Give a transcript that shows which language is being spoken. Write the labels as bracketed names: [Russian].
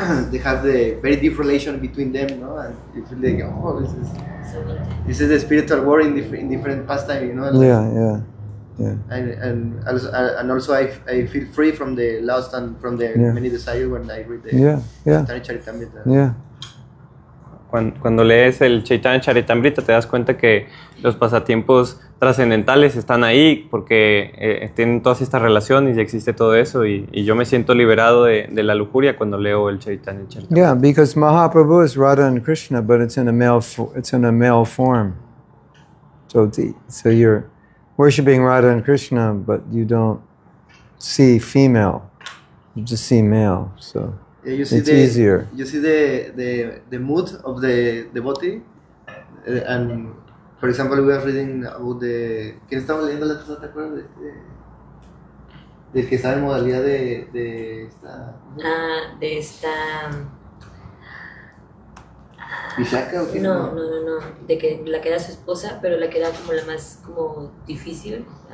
[English] they have the very deep relation between them, no? And you feel like, oh, this is the spiritual world in different pastime, you know? Like, yeah. And also I feel free from the lust and from the many desires when I read the Chaitanya Charitamrita. [Spanish] Cuando lees el Chaitanya Charitamrita te das cuenta que los pasatiempos trascendentales están ahí porque tienen todas estas relaciones y existe todo eso y yo me siento liberado de la lujuria cuando leo el Chaitanya Charitamrita. [English] Yeah, because Mahaprabhu is Radha and Krishna, but it's in a male form. So you're worshiping Radha and Krishna, but you don't see female. You just see male. So you see it's easier. You see the mood of the devotee, and for example, we are reading about the. [Spanish] ¿Quién estaba leyendo la cosa? ¿Te acuerdas de del que está en modalidad de esta? De esta. ¿Vishaka o qué? No. De que la que era su esposa, pero la que era como la más como difícil.